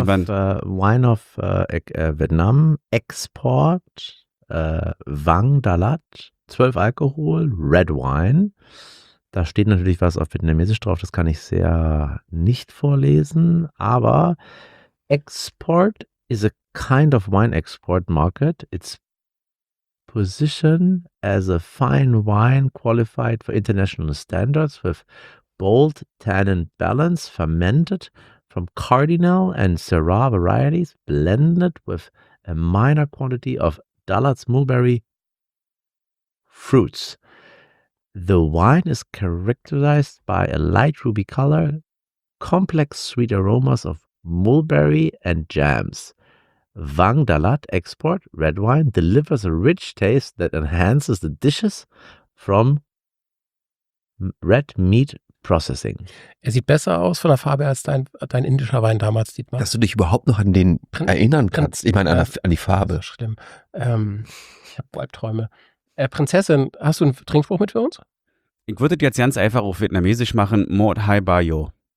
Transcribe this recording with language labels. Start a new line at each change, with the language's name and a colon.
English: of, Wine of Vietnam Export. Wang Da Lat, 12 Alkohol, Red Wine.
German: Da steht natürlich was auf Vietnamesisch drauf, das kann ich sehr nicht vorlesen, aber
English: Export is a kind of wine export market. It's positioned as a fine wine qualified for international standards with bold tannin balance fermented from Cardinal and Syrah varieties blended with a minor quantity of Da Lat's mulberry fruits. The wine is characterized by a light ruby color, complex sweet aromas of mulberry and jams. Wang Da Lat export red wine delivers a rich taste that enhances the dishes from red meat processing.
German: Er sieht besser aus von der Farbe als dein indischer Wein damals, Dietmar. Dass du dich überhaupt noch an den erinnern kannst. Ich meine, an die Farbe. Das ist schlimm. Ich habe Albträume. Prinzessin, hast du einen Trinkspruch mit für uns? Ich würde jetzt ganz einfach auf Vietnamesisch machen.
Vietnamese: Mot Hai Ba Yo.